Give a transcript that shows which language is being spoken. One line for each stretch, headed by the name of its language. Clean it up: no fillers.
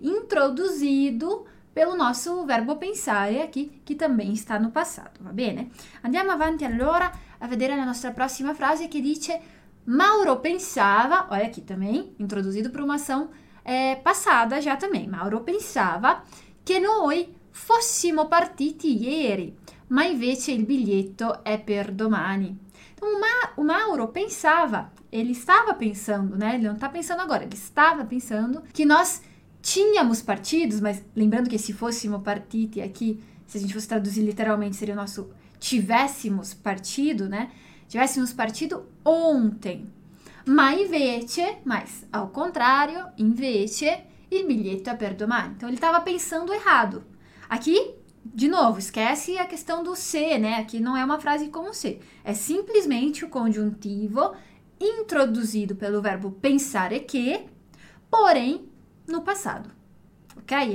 Portuguese: Introduzido pelo nosso verbo pensare aqui, que também está no passato,
Italian: va bene? Andiamo avanti allora a vedere la nostra prossima frase che dice Mauro pensava,
Portuguese: olha aqui também, introduzido por uma ação passada já também.
Italian: Mauro pensava che noi fossimo partiti ieri, ma invece il biglietto è per domani.
Portuguese: O Mauro pensava, ele estava pensando, né? Ele não está pensando agora, ele estava pensando que nós tínhamos partidos, mas lembrando que se fôssemos partiti aqui, se a gente fosse traduzir literalmente, seria o nosso tivéssemos partido, né? Tivéssemos partido ontem. Mas ao contrário,
Italian: invece, il biglietto è per domani.
Portuguese: Então ele estava pensando errado. Aqui, de novo, esquece a questão do se, né? Aqui não é uma frase como se. É simplesmente o conjuntivo introduzido pelo verbo pensare che, porém, no passado. Ok?